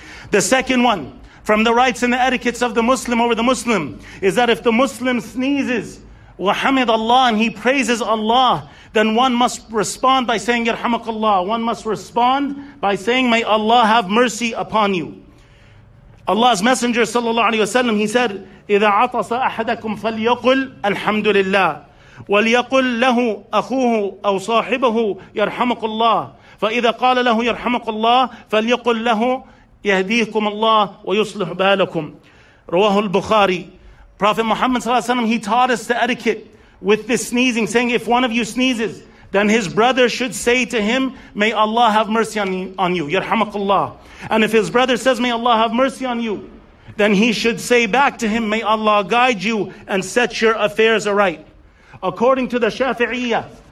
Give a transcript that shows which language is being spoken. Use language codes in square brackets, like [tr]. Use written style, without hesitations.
[en] The second one, from the rights and the etiquettes of the Muslim over the Muslim, is that if the Muslim sneezes, [ar] وَحَمِدَ اللَّهِ, [en] and he praises Allah, then one must respond by saying, [ar] يَرْحَمَكَ اللَّهِ. [en] One must respond by saying, may Allah have mercy upon you. Allah's Messenger ﷺ, he said, [ar] إِذَا عَطَسَ أَحَدَكُمْ فَلْيَقُلْ أَلْحَمْدُ لِلَّهِ وَلْيَقُلْ لَهُ أَخُوهُ أَوْ صَاحِبَهُ يَرْحَمَكُ اللَّهِ فَإِذَا قَالَ لَهُ يَرْحَمَكُ اللَّهِ فَلْيَقُلْ لَهُ يَهْدِيكُمُ اللَّهِ وَيُصْلِحْ بَالَكُمْ رواه البخاري. [en] Prophet Muhammad [ar] صلى الله عليه وسلم, [en] he taught us the etiquette with this sneezing, saying if one of you sneezes, then his brother should say to him, may Allah have mercy on you, [ar] يَرْحَمَكُ اللَّهِ. [en] And if his brother says, may Allah have mercy on you, then he should say back to him, may Allah guide you and set your affairs aright. According to the Shafi'iyah,